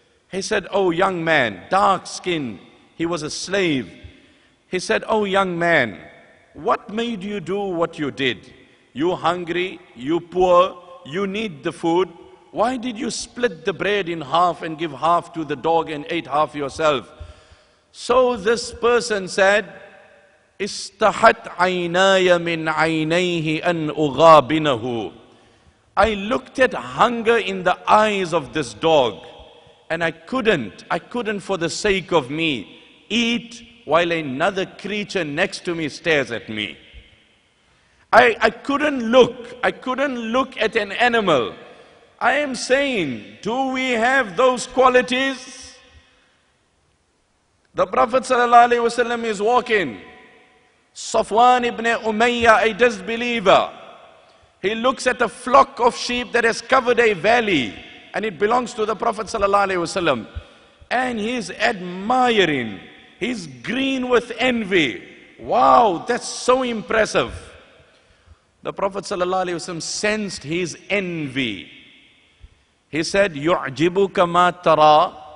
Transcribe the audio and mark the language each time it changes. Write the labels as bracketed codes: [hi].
[en] He said, oh young man, dark skin, he was a slave. He said, oh young man, what made you do what you did? You hungry, you poor, you need the food. Why did you split the bread in half and give half to the dog and ate half yourself? So this person said, [ar] استحت عيناي من عينيه أن أغابنه. [en] I looked at hunger in the eyes of this dog, and I couldn't for the sake of me eat while another creature next to me stares at me. I couldn't look at an animal. I am saying, do we have those qualities? The Prophet sallallahu alaihi wasallam is walking. Safwan ibn Umayyah, a disbeliever, he looks at a flock of sheep that has covered a valley, and it belongs to the Prophet sallallahu alaihi wasallam, and he's admiring, he's green with envy. Wow, that's so impressive. The Prophet sallallahu alaihi wasallam sensed his envy. He said, [ar] يُعْجِبُكَ مَا تَرَى.